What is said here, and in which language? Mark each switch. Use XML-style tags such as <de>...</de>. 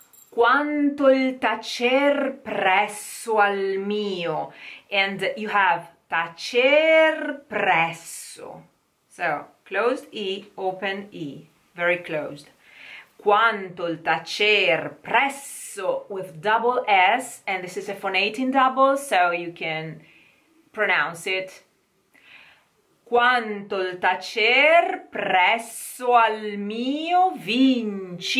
<it>Quanto il tacer presso al mio.</it> <en>And you have tacer presso. So, closed E, open E. Very closed.</en> <it>Quanto il tacer presso</it> <en>with double S. And this is a phonating double, so you can pronounce it.</en> <it>Quanto il tacer presso al mio vincitore.</it>